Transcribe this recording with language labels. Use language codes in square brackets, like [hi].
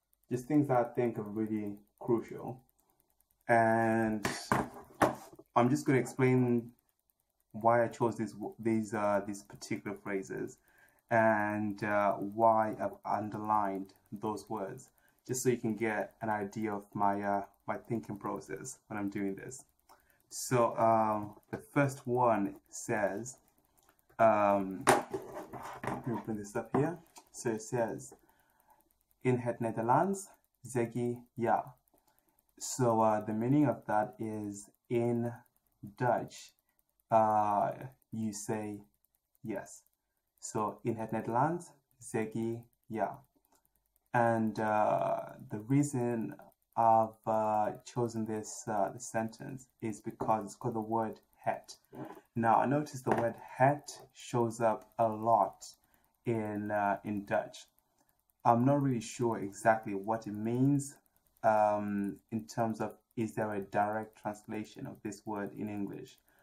[en] Just things that I think are really crucial. And I'm just going to explain why I chose these particular phrases and why I've underlined those words, just so you can get an idea of my thinking process when I'm doing this. So the first one says, let me bring this up here. So it says, [nl] in het Nederlands, zeg je ja. [en] So the meaning of that is in Dutch, you say yes. So [nl] in het Nederlands, zeg je ja. [en] And the reason I've chosen this the sentence is because it's got the word het. Now I noticed the word het shows up a lot in Dutch. I'm not really sure exactly what it means in terms of is there a direct translation of this word in English.